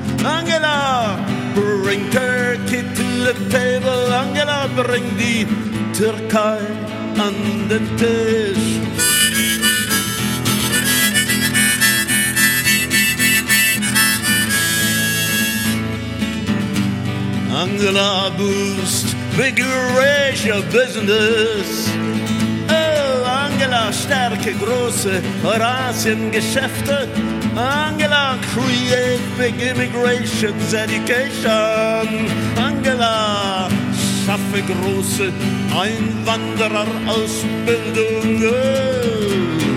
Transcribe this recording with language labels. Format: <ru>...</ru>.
<en>Angela, bring Turkey to the table.</en> <de>Angela, bring die Türkei an den Tisch.</de> <en>Angela, boost big Eurasia business.</en> <de>Angela, stärke große Eurasien-Geschäfte.</de> <en>Angela, create big immigration education.</en> <de>Angela, schaffe große Einwanderer-Ausbildung.</de>